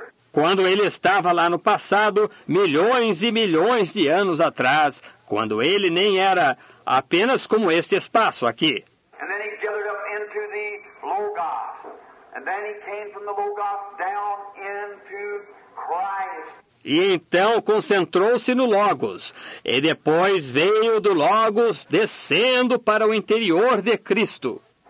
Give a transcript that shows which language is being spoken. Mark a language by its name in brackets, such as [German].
[Portuguese] Quando ele estava lá no passado, milhões e milhões de anos atrás, quando ele nem era apenas como este espaço aqui. [English] And then he gathered up into the Logos. And then he came from the Logos down into Christ. [Portuguese] E então concentrou-se no Logos, e depois veio do Logos descendo para o interior de Cristo.